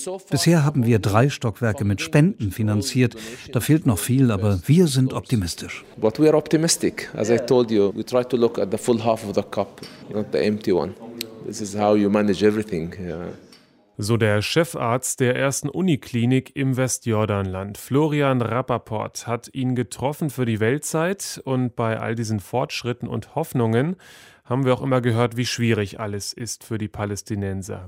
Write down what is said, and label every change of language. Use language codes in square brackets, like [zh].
[de] Bisher haben wir 3 Stockwerke mit Spenden finanziert. Da fehlt noch viel, aber wir sind optimistisch. [en] But we are optimistic. As I told you, we try to look at the full half of the cup, not the empty one. This is how you manage everything. [de] So der Chefarzt der ersten Uniklinik im Westjordanland, Florian Rappaport, hat ihn getroffen für die Weltzeit. Und bei all diesen Fortschritten und Hoffnungen haben wir auch immer gehört, wie schwierig alles ist für die Palästinenser.